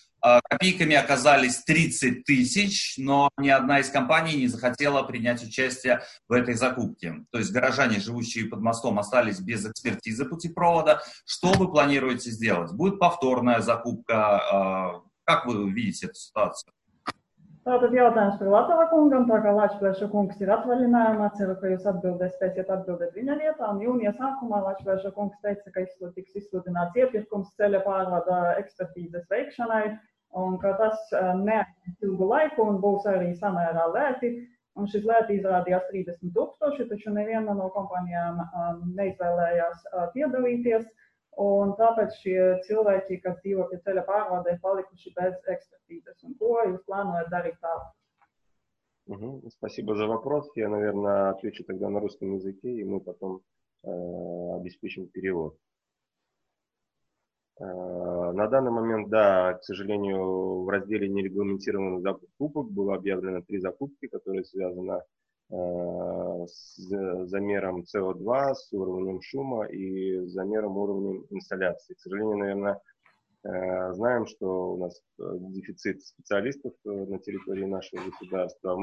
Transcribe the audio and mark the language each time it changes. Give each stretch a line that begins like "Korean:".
Russian: Копейками оказались 30 тысяч, но ни одна из компаний не захотела принять участие в этой закупке. То есть горожане, живущие под мостом, остались без экспертизы путепровода. Что вы планируете сделать? Будет повторная закупка? Как вы видите эту ситуацию?
Latvian: Tātad jautājums par Latava kungam, tā kā Lāčplēša kungs ir atvaļinājumā, ceru, ka jūs atbildēs, spēsiet atbildēt viņa vietā. Un jūnija sākumā Lāčplēša kungs teica, ka tiks izsludināts iepirkums ceļa pārvada ekspertīzes veikšanai, un ka tas neaizies ilgu laiku un būs arī samērā lēti. Un šis lēti izrādījās 30 tūkstoši, taču neviena no kompanijām neizvēlējās piedalīties, un tāpēc šie cilvēki, kas dzīvo pie ceļa pārvada, ir palikuši bez ekspertīzes. Un ko jūs plānojat darīt tālāk?
Russian: Спасибо за вопрос. Я, наверное, отвечу тогда на русском языке, и мы потом обеспечим перевод. На данный момент, да, к сожалению, в разделе нерегламентированных закупок было объявлено три закупки, которые связаны с замером CO2, с уровнем шума и с замером уровнем инсоляции. К сожалению, наверное, знаем, что у нас дефицит специалистов на территории нашего государства.